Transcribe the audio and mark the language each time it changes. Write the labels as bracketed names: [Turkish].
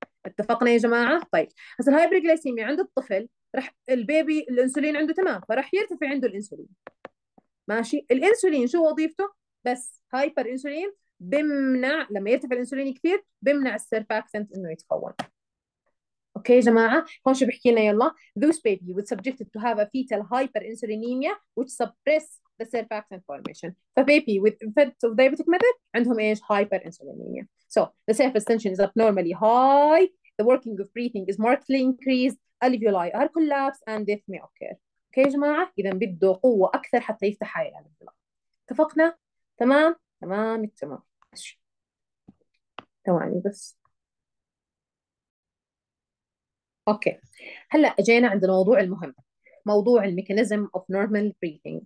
[Arabic] اتفقنا يا جماعه؟ طيب هسه الهايبر جلايسيميا عند الطفل، راح البيبي الانسولين عنده تمام، فراح يرتفع عنده الانسولين. ماشي؟ الانسولين شو وظيفته؟ بس هايبر انسولين بمنع، لما يرتفع الانسولين كثير بمنع السيرفاكتنت انه يتكون. [English] Okay يا جماعه، هون شو بحكي لنا؟ يلا those baby would subjected to have a fetal hyperinsulinemia which suppress the surfactant formation. ف baby with infant of diabetic mother عندهم ايش؟ hyperinsulinemia. so the surface tension is abnormally high, the working of breathing is markedly increased, alveoli are collapsed and death may occur. [Arabic] اوكي يا جماعه، اذا بده قوه اكثر حتى يفتح هاي الالفيولاي. اتفقنا؟ تمام تمام تمام ثواني بس. اوكي هلا اجينا عند الموضوع المهم، موضوع الميكانيزم اوف نورمال بريثنج.